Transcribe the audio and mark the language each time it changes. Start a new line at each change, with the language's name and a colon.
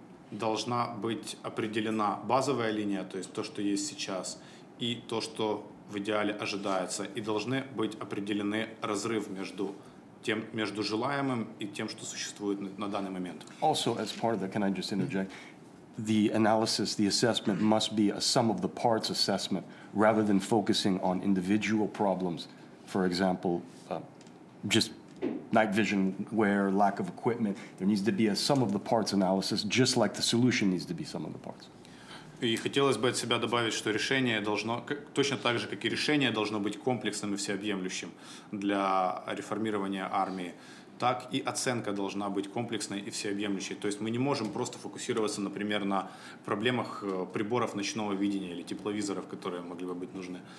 Russian: Должна быть определена базовая линия, то есть то, что есть сейчас, и то, что в идеале ожидается, и должны быть определены разрыв между тем, между желаемым и тем, что существует на данный момент.
English: Also, as part of that, can I just interject? The analysis, the assessment must be a sum of the parts assessment, rather than focusing on individual problems. For example, just night vision wear, lack of equipment. There needs to be a sum of the parts analysis, just like the solution needs to be sum of the parts.
Russian: И хотелось бы от себя добавить, что решение должно, точно так же, как и решение, должно быть комплексным и всеобъемлющим для реформирования армии, так и оценка должна быть комплексной и всеобъемлющей. То есть мы не можем просто фокусироваться, например, на проблемах приборов ночного видения или тепловизоров, которые могли бы быть нужны.